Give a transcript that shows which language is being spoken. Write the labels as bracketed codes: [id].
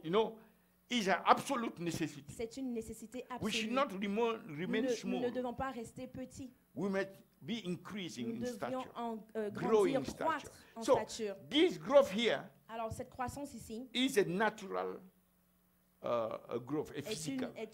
[en] you know, is an absolute necessity. [fr] C'est une nécessité absolue. [en] We should not remain [fr] nous [en] small. [fr] Nous ne devons pas rester petits. [en] We must be increasing [fr] nous [en] in stature. [fr] Nous devons [en] growing [fr] grandir, croître [en] stature. [fr] En [en] so, [fr] stature. [en] So this growth here, [fr] alors cette croissance ici, [en] is a natural growth, a physical.